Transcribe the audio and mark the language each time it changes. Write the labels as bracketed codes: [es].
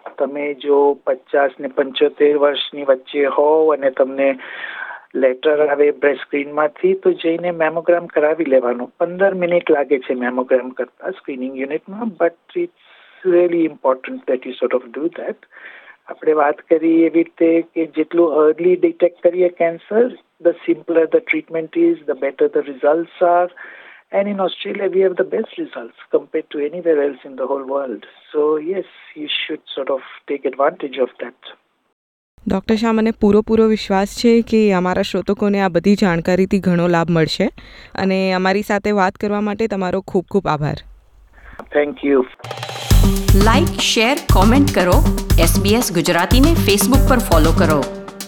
[gu] તમે જો 50 to 75 વર્ષની વચ્ચે હોવ અને તમને લેટર આવે બ્રેસ્ટ સ્ક્રીનમાંથી, તો જઈને મેમોગ્રામ કરાવી લેવાનો. 15 મિનિટ લાગે છે મેમોગ્રામ કરતા સ્ક્રીનિંગ યુનિટમાં, [en] But it's really important that you sort of do that. [gu] આપણે વાત કરી એવી રીતે કે જેટલું અર્લી ડિટેક્ટ કરીએ cancer, [en] The simpler the treatment is, the better the results are. And in Australia, we have the best results compared to anywhere else in the whole world. So yes, you should sort of take advantage of that. Dr. [gu] Shah, મને પૂરો વિશ્વાસ છે કે અમારા શ્રોતકોને આ બધી જાણકારીથી ઘણો લાભ મળશે. અને અમારી સાથે વાત કરવા માટે તમારો ખૂબ ખૂબ આભાર. [en] Thank you. Like, share, comment [gu] કરો. SBS ગુજરાતીને Facebook પર follow કરો.